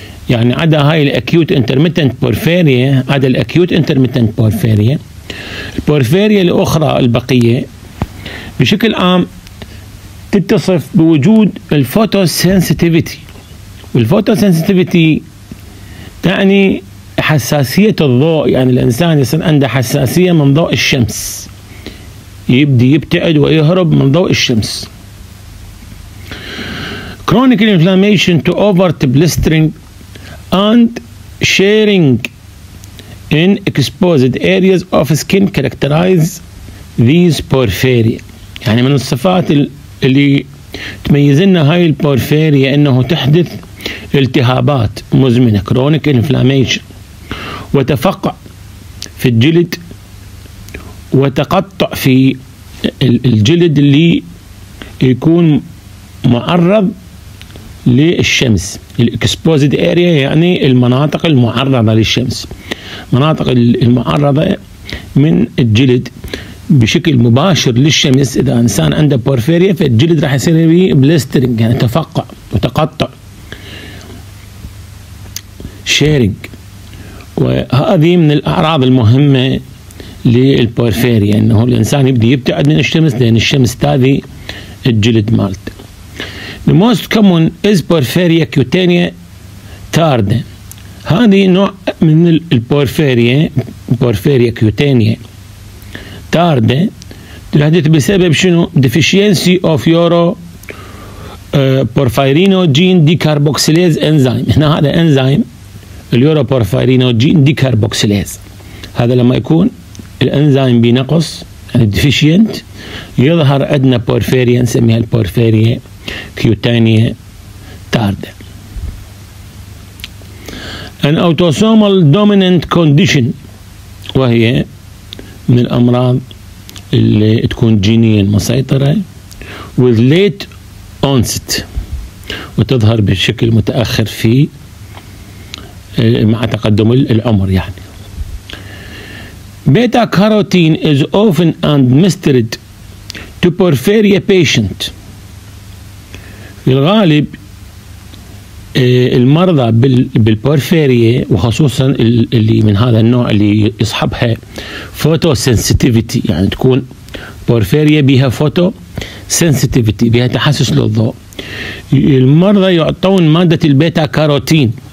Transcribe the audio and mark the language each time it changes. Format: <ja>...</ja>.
<ar>يعني عدا هاي الأكيوت انترميتنت بورفيريا، عدا الأكيوت انترميتنت بورفيريا البورفيريا الأخرى البقية بشكل عام تتصف بوجود الفوتوسنسيتيفيتي، والفوتوسنسيتيفيتي يعني حساسية الضوء، يعني الإنسان يصير عنده حساسية من ضوء الشمس، يبدي يبتعد ويهرب من ضوء الشمس.</ar> <en>Chronic inflammation to overt blistering and sharing in exposed areas of skin characterize these porphyria.</en> <ar>يعني من الصفات اللي تميزنا هاي البورفيريا أنه تحدث التهابات مزمنة كرونيك انفلاميشن وتفقع في الجلد وتقطع في الجلد اللي يكون معرض للشمس، الاكسبوزد اريا يعني المناطق المعرضة للشمس، مناطق المعرضة من الجلد بشكل مباشر للشمس. اذا انسان عنده بورفيريا فالجلد راح يصير فيه بلسترنج، يعني تفقع وتقطع شيرينج، وهذه من الأعراض المهمة للبورفيريا، انه الانسان يبدي يبتعد من الشمس لان الشمس تاذي الجلد مالته.</ar> <en>The most common is porphyria cutanea tarda.</en> <ar>هذه نوع من البورفيريا، بورفيريا كيوتانيا تاردة، تحدث بسبب شنو؟</ar> <en>deficiency of euro porphyrinogen decarboxylase enzyme.</en> <ar>هنا هذا انزيم اليورو porphyrinogen decarboxylase، هذا لما يكون الانزيم بنقص يعني deficient يظهر عندنا بورفيريا، نسميها البورفيريا كيوتانيا تاردة.</ar> <en>An autosomal dominant condition،</en> <ar>وهي من الأمراض اللي تكون جينيا مسيطرة،</ar> <en>with late onset،</en> <ar>وتظهر بشكل متأخر في مع تقدم العمر يعني.</ar> <en>Beta carotene is often administered to porphyria patient.</en> <ar>في الغالب المرضى بالبورفيريا وخصوصا اللي من هذا النوع اللي يصحبها فوتو سنسيتيفيتي، يعني تكون بورفيريا بها فوتو سنسيتيفيتي، بها تحسس للضوء، المرضى يعطون مادة البيتا كاروتين.</ar>